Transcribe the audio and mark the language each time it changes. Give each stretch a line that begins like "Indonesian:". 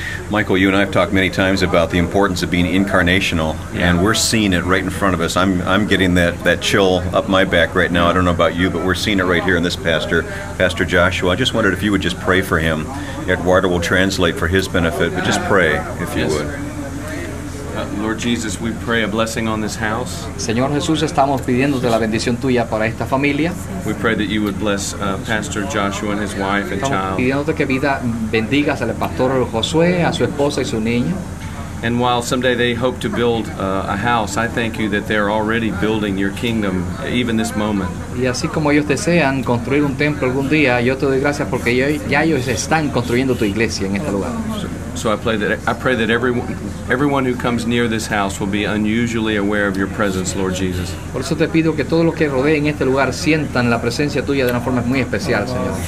English: Michael, you and I have talked many times about the importance of being incarnational, and we're seeing it right in front of us. I'm getting that chill up my back right now. I don't know about you, but we're seeing it right here in this pastor, Pastor Joshua. I just wondered if you would just pray for him. Eduardo will translate for his benefit, but just pray, if you would. Lord Jesus, we pray a blessing on this house.
Spanish: Señor Jesús, estamos pidiéndote la bendición tuya para esta familia.
English: We pray that you would bless Pastor Joshua and his wife and
Spanish: estamos
English: child.
Spanish: Estamos pidiéndote que vida bendigas al pastor Josué, a su esposa y su niño.
English: And while someday they hope to build a house, I thank you that they're already building your kingdom, even this moment.
Spanish: Y así como ellos desean construir un templo algún día, yo te doy gracias porque ya ellos están construyendo tu iglesia en este lugar.
English: So I pray that everyone who comes near this house will be unusually aware of your presence, Lord Jesus.
Spanish: Por eso te pido que todos los que rodeen este lugar sientan la presencia tuya de una forma muy especial, Señor.